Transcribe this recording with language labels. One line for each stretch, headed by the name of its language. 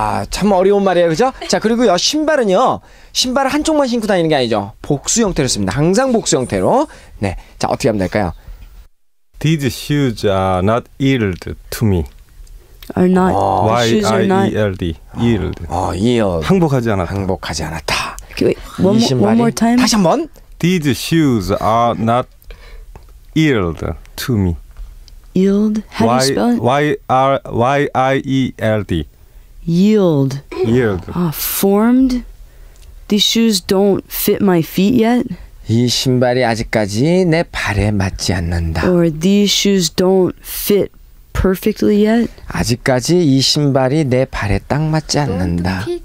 Korean: 참 어려운 말이에요, 그죠? 자, 그리고요, 신발은요, 신발을 한쪽만 신고 다니는 게 아니죠. 복수 형태로 씁니다. 항상 복수 형태로. 네, 자, 어떻게 하면 될까요?
English: These shoes are not yield to me. Are not. Y-I-E-L-D. Yield. Yield.
Korean: 항복하지 않았다. 항복하지 않았다.
English: One more time.
Korean: 다시 한번.
English: These shoes are not yield to me. Yield? How do you spell it? Y-I-E-L-D. Yield. Yield. Formed? These shoes don't fit my feet yet?
Korean: 이 신발이 아직까지 내 발에 맞지 않는다.
English: Or these shoes don't fit perfectly yet.
Korean: 아직까지 이 신발이 내 발에 딱 맞지 않는다.